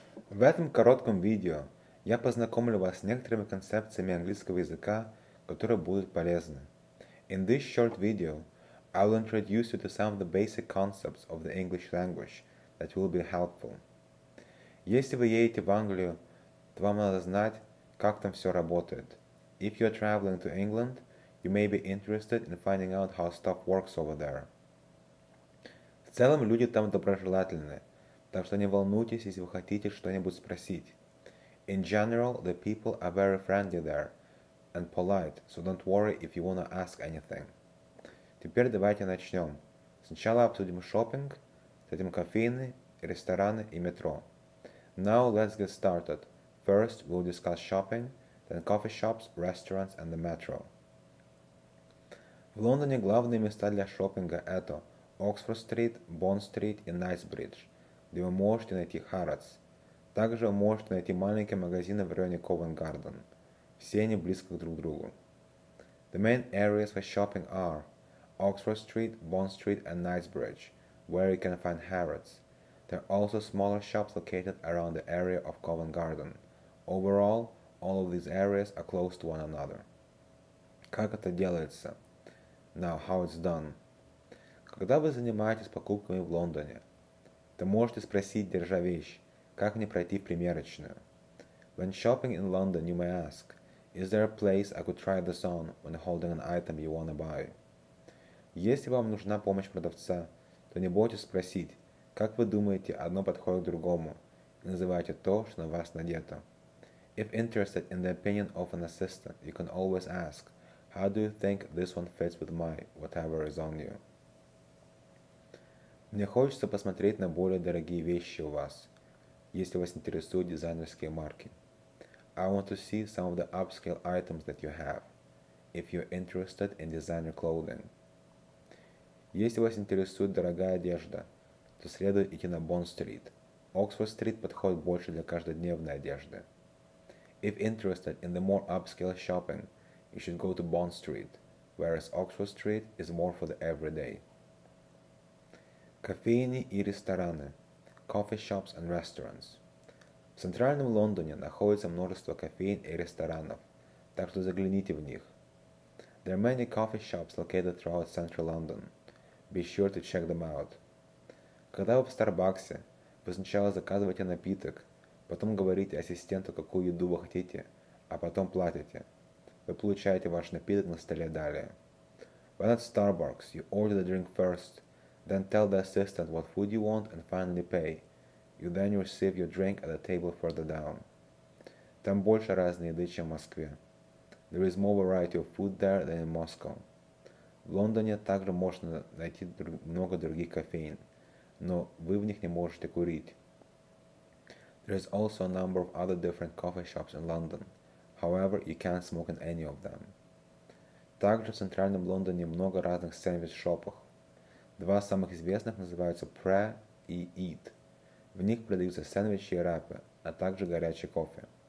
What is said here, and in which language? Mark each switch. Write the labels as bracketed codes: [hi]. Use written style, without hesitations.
[ru] В этом коротком видео я познакомлю вас с некоторыми концепциями английского языка, которые будут полезны. [en] In this short video, I will introduce you to some of the basic concepts of the English language that will be helpful. [ru] Если вы едете в Англию, то вам надо знать, как там все работает. [en] If you are traveling to England, you may be interested in finding out how stuff works over there. [ru] В целом, люди там доброжелательны. Так что не волнуйтесь, если вы хотите что-нибудь спросить. [en] In general, the people are very friendly there and polite, so don't worry if you want to ask anything. [ru] Теперь давайте начнем. Сначала обсудим шопинг, затем кофейны, рестораны и метро. [en] Now let's get started. First we'll discuss shopping, then coffee shops, restaurants and the metro. [ru] В Лондоне главные места для шопинга это Oxford Street, Bond Street и Knightsbridge, где вы можете найти Harrods. Также вы можете найти маленькие магазины в районе Covent Garden. Все они близко друг к другу. [en] The main areas for shopping are Oxford Street, Bond Street and Knightsbridge, where you can find Harrods. There are also smaller shops located around the area of Covent Garden. Overall, all of these areas are close to one another. [ru] Как это делается? [en] Now, how it's done? [ru] Когда вы занимаетесь покупками в Лондоне, то можете спросить, держа вещь, как мне пройти в примерочную. [en] When shopping in London, you may ask, is there a place I could try this on when holding an item you want to buy? [ru] Если вам нужна помощь продавца, то не бойтесь спросить, как вы думаете, одно подходит к другому, и называйте то, что на вас надето. [en] If interested in the opinion of an assistant, you can always ask, how do you think this one fits with my whatever is on you? [ru] Мне хочется посмотреть на более дорогие вещи у вас, если вас интересуют дизайнерские марки. [en] I want to see some of the upscale items that you have, if you're interested in designer clothing. [ru] Если вас интересует дорогая одежда, то следует идти на Bond Street. Oxford Street подходит больше для каждодневной одежды. [en] If interested in the more upscale shopping, you should go to Bond Street, whereas Oxford Street is more for the everyday. [ru] Кофейни и рестораны. [en] Coffee shops and restaurants. [ru] В центральном Лондоне находится множество кофейн и ресторанов, так что загляните в них. [en] There are many coffee shops located throughout central London. Be sure to check them out. [ru] Когда вы в Старбаксе, вы сначала заказываете напиток, потом говорите ассистенту, какую еду вы хотите, а потом платите. Вы получаете ваш напиток на столе далее. [en] When at Starbucks, you order the drink first, then tell the assistant what food you want and finally pay. You then receive your drink at a table further down. [ru] Там больше разной еды, чем в Москве. [en] There is more variety of food there than in Moscow. [ru] В Лондоне также можно найти много других кофейн, но вы в них не можете курить. [en] There is also a number of other different coffee shops in London. However, you can't smoke in any of them. [ru] Также в центральном Лондоне много разных сэндвич-шопов. Два самых известных называются Prayer и Eat. В них продаются сэндвичи и рапы, а также горячий кофе.